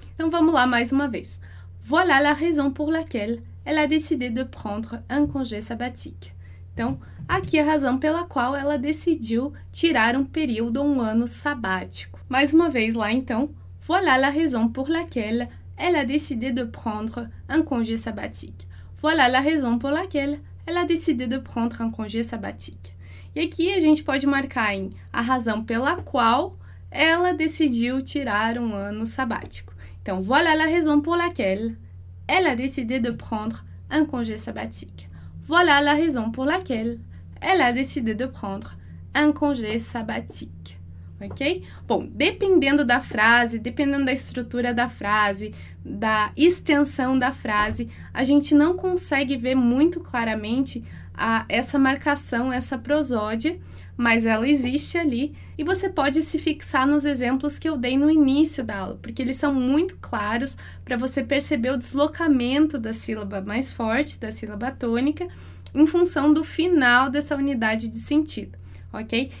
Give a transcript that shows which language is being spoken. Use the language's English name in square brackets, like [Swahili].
[Portuguese] Então, vamos lá mais uma vez. [French] Voilà la raison pour laquelle elle a décidé de prendre un congé sabbatique. [Portuguese] Então, aqui é a razão pela qual ela decidiu tirar um período, um ano sabático. Mais uma vez lá, então. [French] Voilà la raison pour laquelle elle a décidé de prendre un congé sabbatique. Voilà la raison pour laquelle elle a décidé de prendre un congé sabbatique. [Portuguese] E aqui a gente pode marcar em a razão pela qual ela decidiu tirar um ano sabático. Então, [French] voilà la raison pour laquelle elle a décidé de prendre un congé sabbatique. Voilà la raison pour laquelle elle a décidé de prendre un congé sabbatique. Ok? [Portuguese] Bom, dependendo da frase, dependendo da estrutura da frase, da extensão da frase, a gente não consegue ver muito claramente essa marcação, essa prosódia, mas ela existe ali. E você pode se fixar nos exemplos que eu dei no início da aula, porque eles são muito claros para você perceber o deslocamento da sílaba mais forte, da sílaba tônica, em função do final dessa unidade de sentido, ok?